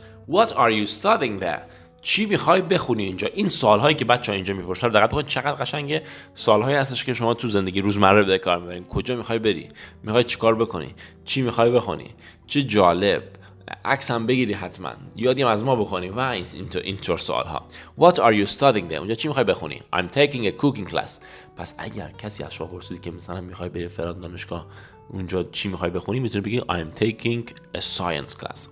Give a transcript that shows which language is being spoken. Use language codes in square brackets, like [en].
[en] What are you studying there؟ [fa] چی میخوای بخونی اینجا؟ این سوالهایی که بچه‌ها اینجا میپرسن دقت کن چقدر قشنگه. سوالهایی هستش که شما تو زندگی روزمره به کار میبرین. کجا میخوای بری؟ میخوای چیکار بکنی؟ چی میخوای بخونی؟ چه جالب. عکس هم بگیری حتما. یادیم از ما بکنی و اینطور سوالها. [en] What are you studying there؟ [fa] اونجا چی میخوای بخونی؟ [en] I'm taking a cooking class. [fa] پس اگر کسی از شما پرسید که مثلا میخوای بری فلان دانشگاه اونجا چی میخوای بخونی، میتونی بگی [en] I'm taking a science class.